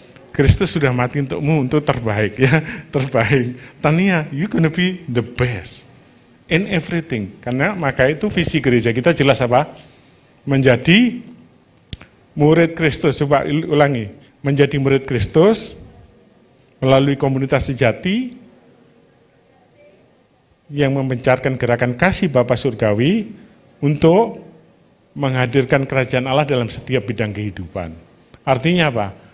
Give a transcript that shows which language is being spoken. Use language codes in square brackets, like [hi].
[id] Kristus sudah mati untukmu untuk terbaik ya, terbaik. [en] Tania, you gonna be the best in everything. [id] Karena maka itu visi gereja kita jelas apa? Menjadi murid Kristus. Coba ulangi, menjadi murid Kristus melalui komunitas sejati yang memancarkan gerakan kasih Bapa Surgawi untuk menghadirkan kerajaan Allah dalam setiap bidang kehidupan. Artinya apa?